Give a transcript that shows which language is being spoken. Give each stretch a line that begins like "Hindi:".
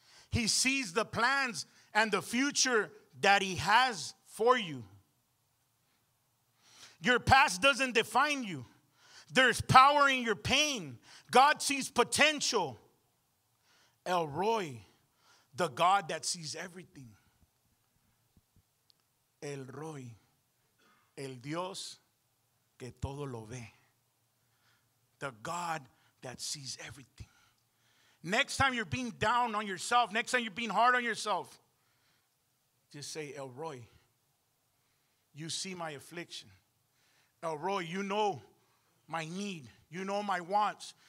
English: He sees the plans and the future that he has for you. Your past doesn't define you. There's power in your pain. God sees potential. El Roy, the God that sees everything.
Spanish: El Roy, el Dios que todo lo ve.
English: The God that sees everything. Next time you're being down on yourself, next time you're being hard on yourself, just say, El Roy, you see my affliction. El Roy, you know my need. You know my wants.